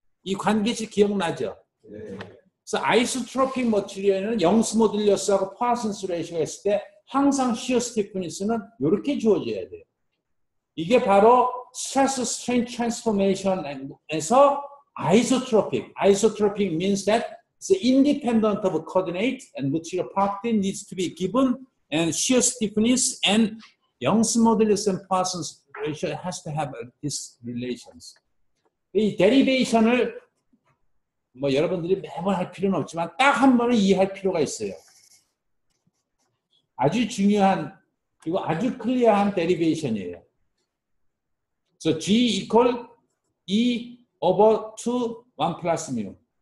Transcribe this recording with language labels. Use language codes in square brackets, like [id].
[ko] 이 관계식 기억나죠? 네. 그래서 아이소트로픽 머티리얼은 영스 모듈러스하고 파슨스 레이시오 했을 때 항상 [en] shear stiffness [ko] 는 이렇게 주어져야 돼요. 이게 바로 스트레스 스트레인 트랜스포메이션에서 아이소트로픽. [en] 아이소트로픽 means that it's independent of coordinate and material property needs to be given and shear stiffness and Young's modulus and Poisson's ratio has to have these relations. [ko] 이 데리베이션을 뭐 여러분들이 매번 할 필요는 없지만 딱 한 번은 이해할 필요가 있어요. 아주 중요한 그리고 아주 클리어한 데리베이션이에요. [en] So G equal E over 2 1 plus mu.